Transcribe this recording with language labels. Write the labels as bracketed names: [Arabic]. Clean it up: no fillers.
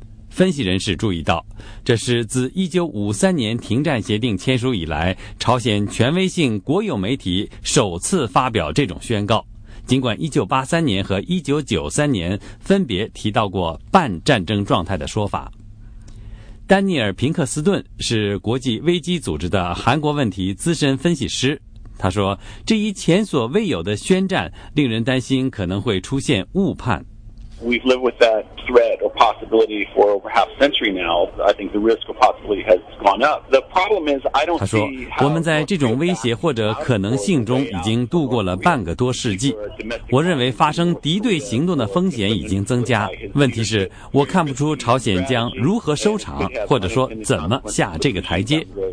[Chinese] 分析人士注意到，这是自1953年停战协定签署以来，朝鲜权威性国有媒体首次发表这种宣告，尽管1983年和1993年分别提到过半战争状态的说法。丹尼尔·平克斯顿是国际危机组织的韩国问题资深分析师，他说，这一前所未有的宣战令人担心可能会出现误判。 [English] We've lived with that threat or possibility for over half a century now. I think the risk or possibility has gone up. The problem is, I don't see. [Chinese] 他说，我们在这种威胁或者可能性中已经度过了半个多世纪。我认为发生敌对行动的风险已经增加。问题是，我看不出朝鲜将如何收场，或者说怎么下这个台阶。